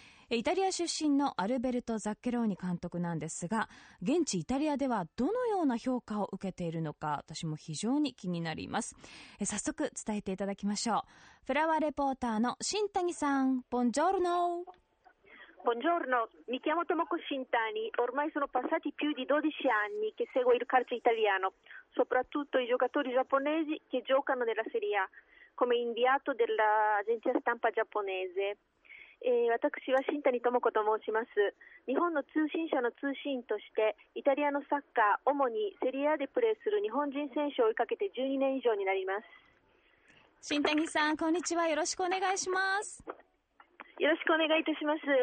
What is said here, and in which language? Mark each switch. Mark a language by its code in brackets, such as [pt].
[ja] イタリア出身のアルベルト・ザッケローニ監督なんですが、現地イタリアではどのような評価を受けているのか私も非常に気になります。早速伝えていただきましょう。フラワーレポーターの新谷さん、ボンジョルノ。 [it] Buongiorno, mi chiamo Tomoko Shintani. Ormai sono passati più di 12 anni che seguo il calcio italiano, soprattutto i giocatori giapponesi che giocano nella Serie A, come inviato dell'agenzia stampa giapponese. [ja] E 私は新谷智子と申します。日本の通信社の通信として、イタリアのサッカー、主にセリアでプレーする日本人選手を追いかけて12年以上になります。新谷さん、こんにちは。よろしくお願いします。よろしくお願いいたします。